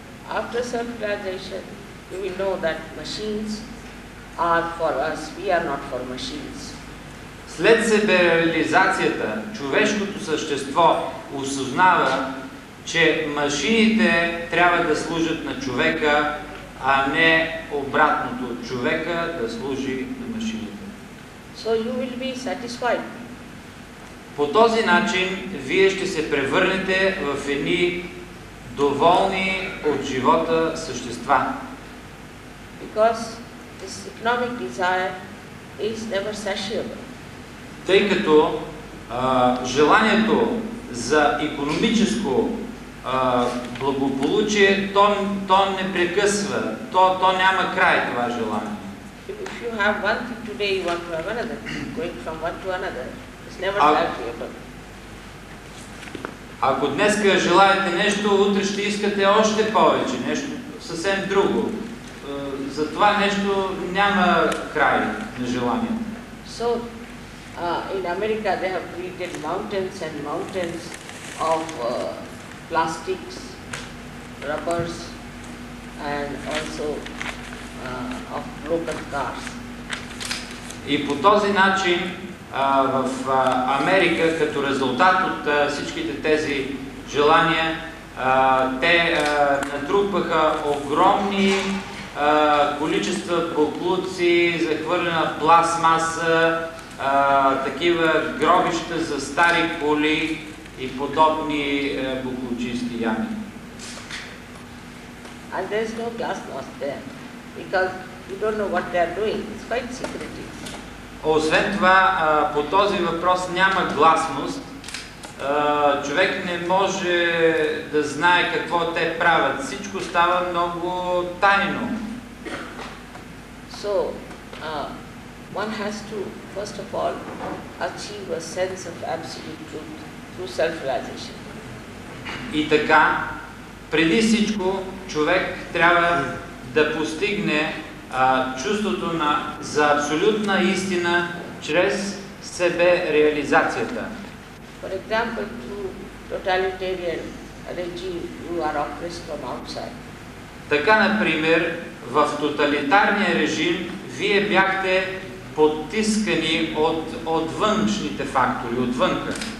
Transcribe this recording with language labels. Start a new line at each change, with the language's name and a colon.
English: After self-realization, you will know that machines are for us, we are not for machines.
Bulgarian: След себе реализацията, човешкото същество осъзнава, че машините трябва да служат на човека, а не обратното. Човека да служи на машините.
English: So you will be satisfied.
Bulgarian: По този начин вие ще се превърнете в едни доволни от живота същества.
English: Because this economic desire is never satiable.
Bulgarian: Тъй като желанието за икономическо благополучие, то не прекъсва, то няма край това желание.
English: If you have one thing today, you want to have another, going from one to another, it's never satisfactory.
Bulgarian: Ако днеска желаете нещо, утре ще искате още повече, нещо съвсем друго. За това нещо няма край на желанието.
English: So, in America they have created mountains and mountains of plastics, rubbers, and also of broken cars.
Bulgarian: И по този начин в Америка, като резултат от всичките тези желания, те натрупаха огромни количества боклуци, захвърлена пластмаса, такива гробища за стари коли и подобни буклучински ями.
English: And there is no glass there, because you don't know what they are doing. It's quite secretive.
Bulgarian: Освен това, по този въпрос няма гласност. Човек не може да знае какво те правят. Всичко става много тайно.
English: So, one has to, first of all, achieve a sense of absolute truth.
Bulgarian: И така, преди всичко, човек трябва да постигне чувството на за абсолютна истина чрез себе реализацията.
English: For example, through totalitarian regime, you are oppressed from outside.
Bulgarian: Така, например, в тоталитарния режим вие бяхте подтискани от външните фактори, от вънка.